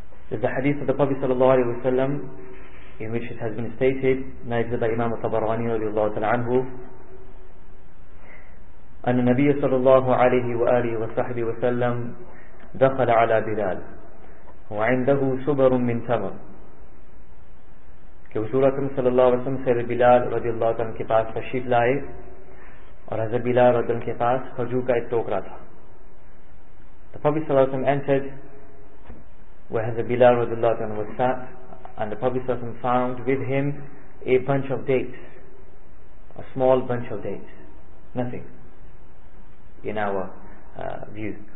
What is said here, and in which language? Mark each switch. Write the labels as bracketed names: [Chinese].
[English] There's a hadith of the Prophet sallallahu alayhi wa sallam in which it has been stated, narrated by Imam al-Tabarani radiallahu ta'ala anhu, [Arabic] أن النبي صلى الله عليه وآله وصحبه وسلم دخل على بلال وعنده سبر من تمر. [Urdu] کہ حضور اکرم صلی اللہ علیہ وسلم سے بلال رضی اللہ عنہ کے پاس تشریف لائے اور حضرت بلال رضی اللہ عنہ کے پاس کھجور کا ایک ٹوکرا تھا. [English] The Prophet صلی اللہ علیہ وسلم entered where حضرت بلال رضی اللہ عنہ was sat, and the Prophet صلی اللہ علیہ وسلم found with him a bunch of dates, a small bunch of dates, nothing in our view.